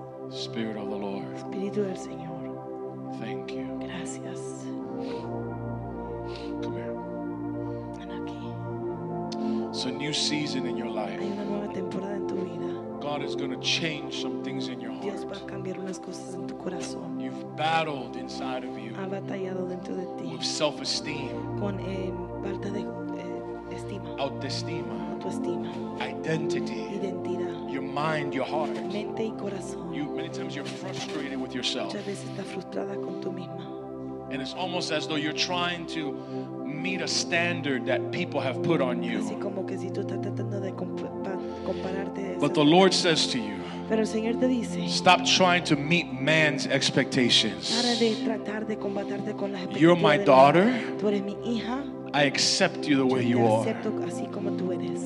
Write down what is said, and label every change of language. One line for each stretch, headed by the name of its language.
English: Spirit of the Lord.
Spanish: Espíritu del Señor.
English: Thank you.
Spanish: Gracias.
English: Come here.
Spanish: Ven aquí.
English: It's a new season in your life.
Spanish: Hay una nueva temporada en tu vida.
English: God is going to change some things in your heart.
Spanish: Dios va a cambiar unas cosas en tu corazón.
English: You've battled inside of you.
Spanish: Ha batallado dentro de ti.
English: With self-esteem.
Spanish: Con falta de estima. Autoestima. Autoestima.
English: Identity.
Spanish: Identidad.
English: Your mind, your heart.
Spanish: Mente y corazón.
English: You, many times you're frustrated with yourself.
Spanish: Muchas veces estás frustrada con tú misma.
English: And it's almost as though you're trying to meet a standard that people have put on you.
Spanish: Así como que si tú estás tratando de compararte.
English: But the Lord says to you,
Spanish: pero el Señor te dice,
English: stop trying to meet man's expectations.
Spanish: Para de tratar de combatirte con las expectativas.
English: You're my daughter.
Spanish: Tú eres mi hija.
English: I accept you the way you are.
Spanish: Así como tú eres.